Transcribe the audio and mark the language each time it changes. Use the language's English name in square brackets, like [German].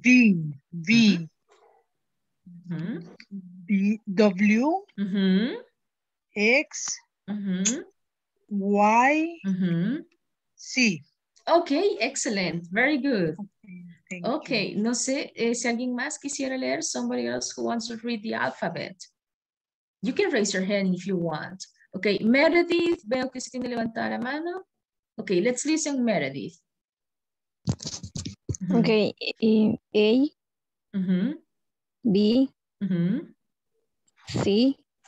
[English] V, V. W. X. Y. C. Ok, excellent. Very good. [Spanish] Okay, no sé si alguien más quisiera leer. [English] Somebody else who wants to read the alphabet. You can raise your hand if you want. [Spanish] Okay, Meredith, veo que se tiene que levantar la mano. [English] Okay, let's listen, Meredith. Okay, A. B. C.